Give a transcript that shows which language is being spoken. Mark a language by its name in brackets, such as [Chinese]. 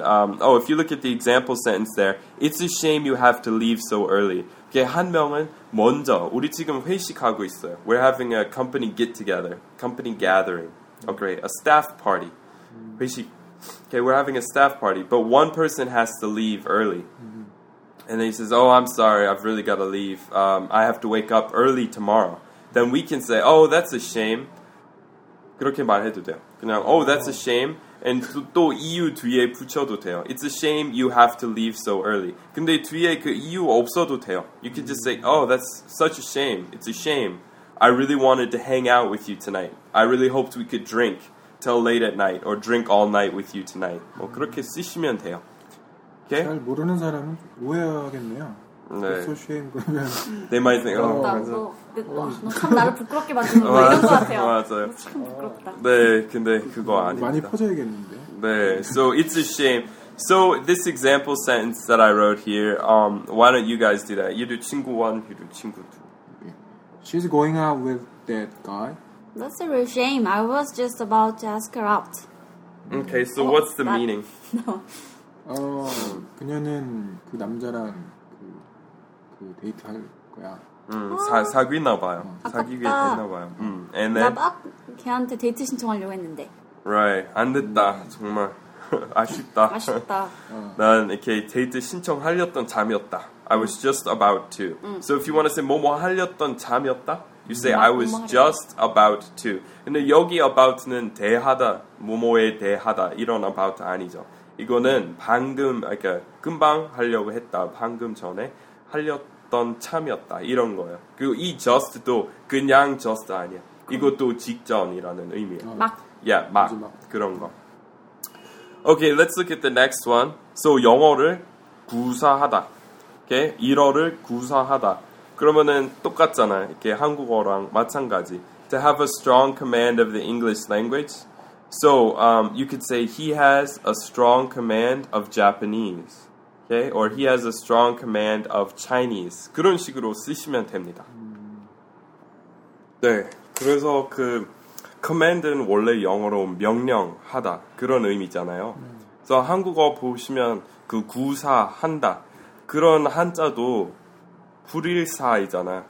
[English] If you look at the example sentence there, it's a shame you have to leave so early. [Korean] Okay, 한 명은 먼저, 우리 지금 회식하고 있어요. [English] We're having a company get-together, company gathering. Okay, a staff party. 회식. Okay, we're having a staff party, but one person has to leave early. And then he says, oh, I'm sorry, I've really got to leave. I have to wake up early tomorrow. Then we can say, oh, that's a shame. [Korean] 그렇게 말해도 돼요. 그냥, [English] oh, that's a shame. [Korean] And 또 이유 뒤에 붙여도 돼요. [English] It's a shame you have to leave so early. [Korean] 근데 뒤에 그 이유 없어도 돼요. [English] You can just say, oh, that's such a shame. It's a shame. I really wanted to hang out with you tonight. I really hoped we could drink till late at night or drink all night with you tonight. [Korean] 뭐 그렇게 쓰시면 돼요. [English] Okay? [Korean] 잘 모르는 사람은 오해하겠네요. 네. [English] It's so shame. They might think, oh, [Korean] 너 참 나를 부끄럽게 만드는 거 이런 거 같아요. 맞아요. 참 부끄럽다. 네, 근데 그거 아닙니다. 많이 퍼져야겠는데. [English] 네, so it's a shame. So this example sentence that I wrote here, why don't you guys do that? You do 친구 1, you do 친구 2. She's going out with that guy. That's a real shame. I was just about to ask her out. Okay, so what's the meaning? No. [Korean] 그녀는 그 남자랑 그 데이트 할 거야. 사귀나 봐요. 사귀게 됐나 봐요. [English] And then [Korean] 나 막 걔한테 데이트 신청하려고 했는데. Right. 안 됐다. 정말 아쉽다. 아쉽다. 난 이렇게 데이트 신청하려던 잠이었다. [English] I was just about to. So if you want to say [Korean] 뭐뭐 하려던 잠이었다? [English] You say, I was just about to. [Korean] 근데 여기 about는 대하다, 뭐뭐에 대하다, 이런 about 아니죠. 이거는 방금, 그러니까 금방 하려고 했다, 방금 전에 하려던 참이었다, 이런 거예요. 그리고 이 just도 그냥 just 아니야. 이것도 직전이라는 의미예요. 막. [English] Yeah, [Korean] 막. 그런 거. [English] Okay, let's look at the next one. [Korean] So, 영어를 구사하다. Okay, 일어를 구사하다. 그러면은 똑같잖아. 이렇게 한국어랑 마찬가지. [English] To have a strong command of the English language. So, you could say he has a strong command of Japanese. Okay? Or he has a strong command of Chinese. [Korean] 그런 식으로 쓰시면 됩니다. 네. 그래서 그 command은 원래 영어로 명령하다. 그런 의미잖아요. 그래서 한국어 보시면 그 구사한다. 그런 한자도 불일사이잖아.